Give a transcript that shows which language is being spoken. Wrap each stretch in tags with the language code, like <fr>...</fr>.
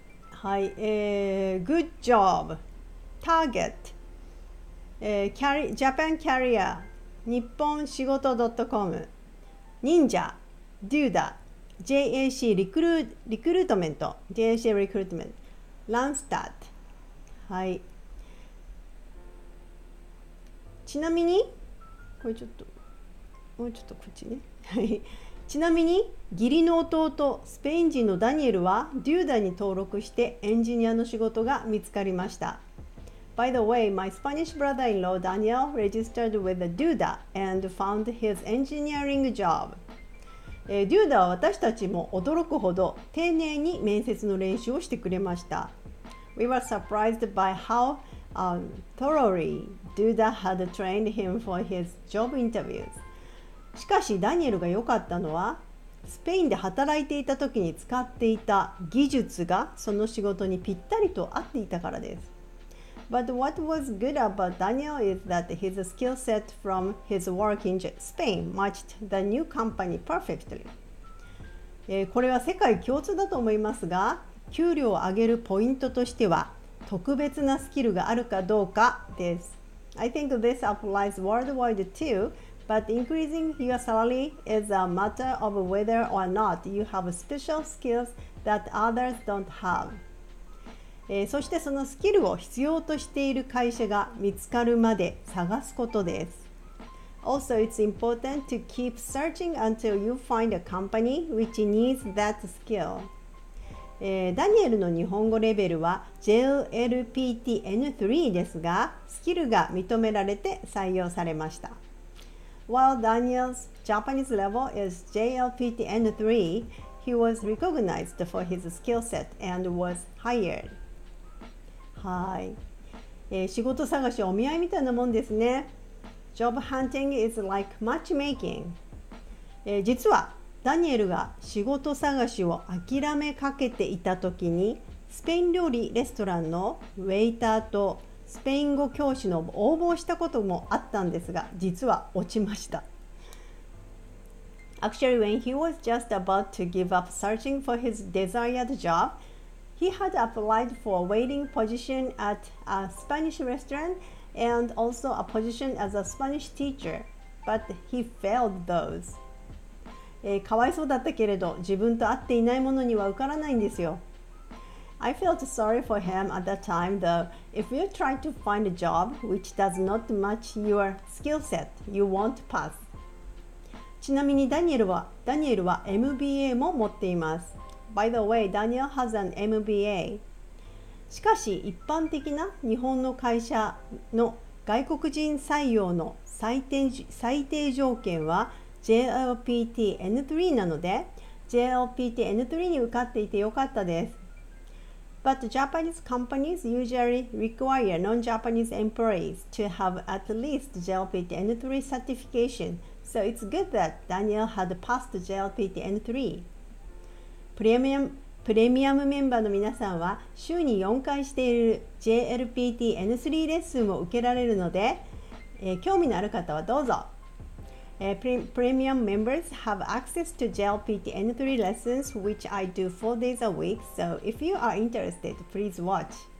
<ja>はい、Good Job, Target, Japan Career, 日本仕事 .com, Ninja, Duda, JAC Recruitment, JAC Recruitment, Landsat. はい。ちなみに、これちょっと、もうちょっとこっちね。ちなみに、義理の弟、スペイン人のダニエルは、デューダに登録してエンジニアの仕事が見つかりました。</ja> <en>By the way, my Spanish brother-in-law Daniel registered with Duda and found his engineering job.</en> <ja>デューダは私たちも驚くほど丁寧に面接の練習をしてくれました。</ja> <en>We were surprised by how thoroughly Duda had trained him for his job interviews.</en> <ja>しかしダニエルが良かったのは、スペインで働いていた時に使っていた技術がその仕事にぴったりと合っていたからです。</ja> <en>But what was good about Daniel is that his skill set from his work in Spain matched the new company perfectly.</en> <ja>これは世界共通だと思いますが、給料を上げるポイントとしては特別なスキルがあるかどうかです。</ja> <en>I think this applies worldwide too, but increasing your salary is a matter of whether or not you have special skills that others don't have.</en> <ja>そしてそのスキルを必要としている会社が見つかるまで探すことです。</ja> <en>Also, it's important to keep searching until you find a company which needs that skill.</en> <ja>ダニエルの日本語レベルは JLPT-N3 ですが、スキルが認められて採用されました。</ja> <en>While Daniel's Japanese level is JLPT-N3, he was recognized for his skill set and was hired.</en> <ja>はい。仕事探しはお見合いみたいなもんですね。</ja> <en>Job hunting is like matchmaking.</en> <ja>実はダニエルが仕事探しを諦めかけていた時に、スペイン料理レストランのウェイターとスペイン語教師の応募をしたこともあったんですが、実は落ちました。</ja> <en>Actually, when he was just about to give up searching for his desired job, he had applied for a waiting position at a Spanish restaurant. And also a position as a Spanish teacher, but he failed those.</en> <ja>かわいそうだったけれど、自分と合っていないものには受からないんですよ。</ja> <en>I felt sorry for him at that time, though. If you try to find a job which does not match your skill set, you won't pass.</en> <ja>ちなみにダニエルは MBA も持っています。</ja> <en>By the way, Daniel has an MBA.</en> <ja>しかし一般的な日本の会社の外国人採用の最低条件は JLPT-N3 なので JLPT-N3 に受かっていてよかったです。</ja> <en>But Japanese companies usually require non-Japanese employees to have at least JLPT-N3 certification, so it's good that Daniel had passed JLPT-N3.</en> <ja>プレミアムメンバーの皆さんは週に4回している JLPT-N3 レッスンを受けられるので、興味のある方はどうぞ。</ja> <en>Premium members have access to JLPT-N3 lessons, which I do 4 days a week, so if you are interested, please watch.</en>